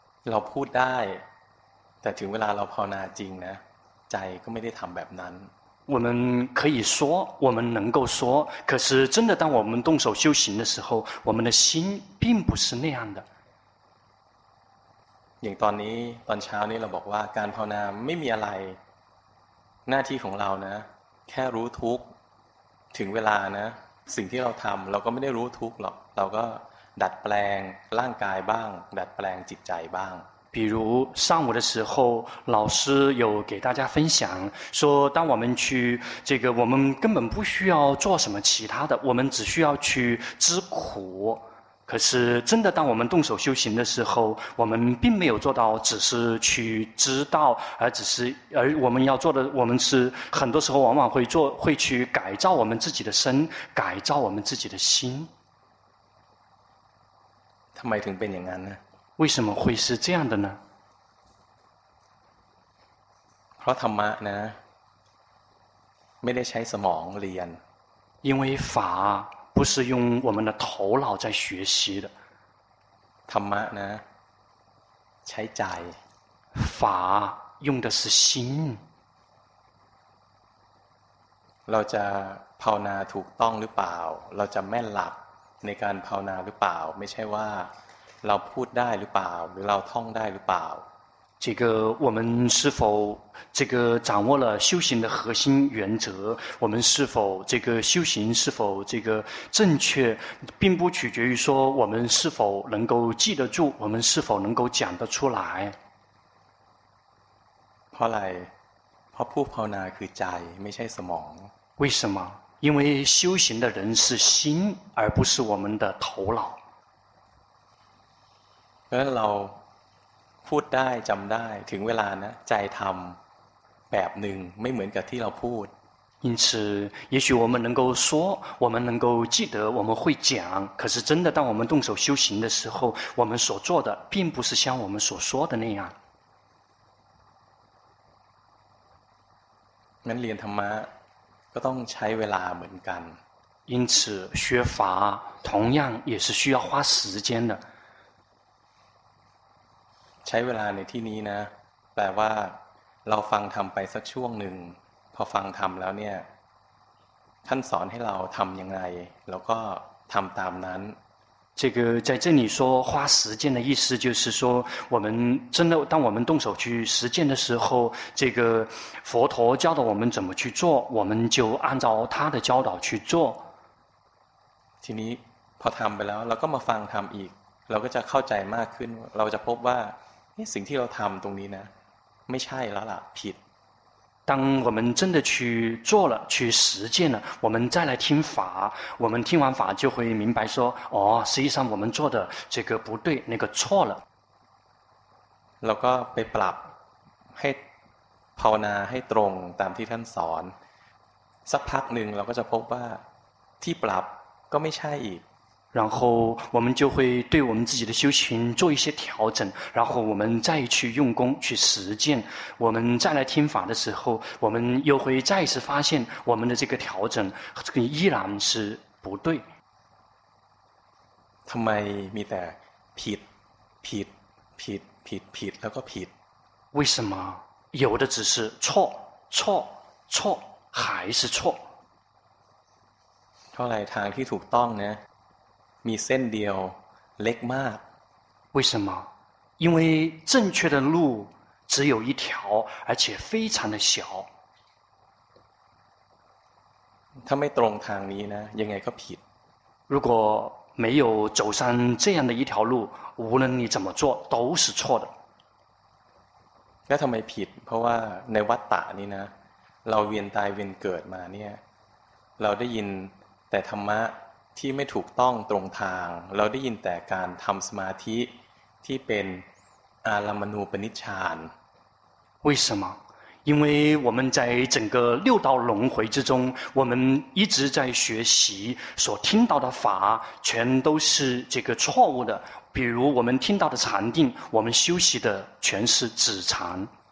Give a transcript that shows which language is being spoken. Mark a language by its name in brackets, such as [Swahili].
[Thai] เราพูดได้แต่ถึงเวลาเราภาวนาจริงนะใจก็ไม่ได้ทำแบบนั้น [Chinese] 我们可以说我们能够说可是真的当我们动手修行的时候我们的心并不是那样的 [Thai] อย่างตอนนี้ตอนเช้านี้เราบอกว่าการภาวนาไม่มีอะไรหน้าที่ของเรานะแค่รู้ทุกข์ถึงเวลานะสิ่งที่เราทำเราก็ไม่ได้รู้ทุกข์หรอกเราก็ดัดแปลงร่างกายบ้างดัดแปลงจิตใจบ้าง [Chinese] 比如上午的时候老师有给大家分享说当我们去这个我们根本不需要做什么其他的我们只需要去知苦可是真的当我们动手修行的时候我们并没有做到只是去知道而我们要做的我们是很多时候往往会去改造我们自己的身改造我们自己的心 [Thai] ทำไมถึงเป็นอย่างนั้นนะ [Chinese] 为什么会是这样的呢 [Thai] เพราะธรรมะนะไม่ได้ใช้สมองเรียน [Chinese] 因为法不是用我们的头脑在学习的 [Thai] ธรรมะนะใช้ใจ [Chinese] 法用的是心 [Thai] เราจะภาวนาถูกต้องหรือเปล่าเราจะแม่นหลักในการภาวนาหรือเปล่าไม่ใช่ว่าเราพูดได้หรือเปล่าหรือเราท่องได้หรือเปล่า [Chinese] 这个我们是否这个掌握了修行的核心原则我们是否这个修行是否这个正确并不取决于说我们是否能够记得住我们是否能够讲得出来 [Thai] เพราะอะไรเพราะผู้ภาวนาคือใจไม่ใช่สมอง [Chinese] 为什么因为修行的人是心而不是我们的头脑 [Thai] เราฝ พูดได้จำได้ถึงเวลานะใจทำแบบหนึ่งไม่เหมือนกับที่เราพูด [Chinese] 因此也许我们能够说我们能够记得我们会讲可是真的当我们动手修行的时候我们所做的并不是像我们所说的那样 [Thai] งั้นเรียนธรรมะก็ต้องใช้เวลาเหมือนกัน [Chinese] 因此学法同样也是需要花时间的 [Thai] ใช้เวลาในที่นี้นะแปลว่าเราฟังธรรมไปสักช่วงหนึ่งพอฟังธรรมแล้วเนี่ยท่านสอนให้เราทำยังไงแล้วก็ทำตามนั้น [Chinese] 这个在这里说花时间的意思就是说我们真的当我们动手去实践的时候这个佛陀教导我们怎么去做我们就按照他的教导去做 [Thai] ทีนี้พอทำไปแล้วเราก็มาฟังธรรมอีกเราก็จะเข้าใจมากขึ้นเราจะพบว่าสิ่งที่เราทำตรงนี้นะไม่ใช่แล้วล่ะผิด [Chinese] 当我们真的去做了去实践了我们再来听法我们听完法就会明白说哦实际上我们做的这个不对那个错了 [Thai] แล้วก็ไปปรับให้ภาวนาให้ตรงตามที่ท่านสอนสักพักหนึ่งเราก็จะพบว่าที่ปรับก็ไม่ใช่อีก [Chinese] 然后我们就会对我们自己的修行做一些调整然后我们再去用功去实践我们再来听法的时候我们又会再次发现我们的这个调整这个依然是不对 [Thai] ทำไมมีแต่ผิดผิดผิดผิดผิดแล้วก็ผิด [Chinese] 为什么有的只是错错错还是错 [Thai] เท่าไหร่ทางที่ถูกต้องเนี่ยมีเส้นเดียวเล็กมาก [Chinese] 为什么因为正确的路只有一条而且非常的小 [Thai] ถ้าไม่ตรงทางนี้นะยังไงก็ผิด [Chinese] 如果没有走上这样的一条路无论你怎么做都是错的 [Thai] แล้วทำไมผิดเพราะว่าในวัฏฏะนี้นะเราเวียนตายเวียนเกิดมาเนี่ยเราได้ยินแต่ธรรมะที่ไม่ถูกต้องตรงทางเราได้ยินแต่การทำสมาธิที่เป็นอารัมมณูปนิชฌาน [Chinese] 为什么因为我们在整个六道轮回之中我们一直在学习所听到的法全都是这个错误的比如我们听到的禅定我们修习的全是止禅